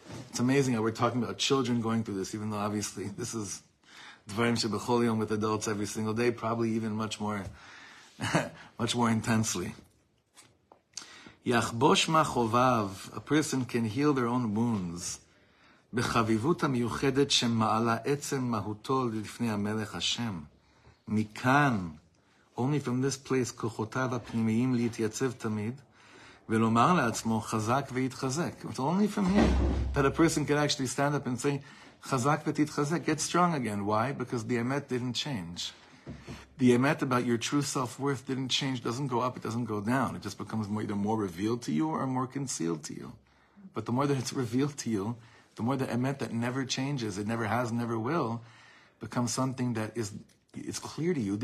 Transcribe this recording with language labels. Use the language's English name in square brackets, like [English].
[English] It's amazing how we're talking about children going through this, even though obviously this is Dvarim Shebechol Yom with adults every single day, probably even much more much more intensely. [Hebrew] Yachbosh ma chovav, [English] a person can heal their own wounds. [Hebrew] בחביבות המיוחדת שמעלה עצם מהותו לפני המלך השם. מכאן, [English] only from this place, [Hebrew] כוחותיו הפנימיים להתייצב תמיד, ולומר לעצמו חזק ויתחזק. [English] It's only from here that a person can actually stand up and say, [Hebrew] חזק ותתחזק, [English] get strong again. Why? Because the emet didn't change. The emet about your true self-worth didn't change, doesn't go up, it doesn't go down. It just becomes more, either more revealed to you or more concealed to you. But the more that it's revealed to you, the more the emet that never changes, it never has, never will, becomes something that is, it's clear to you.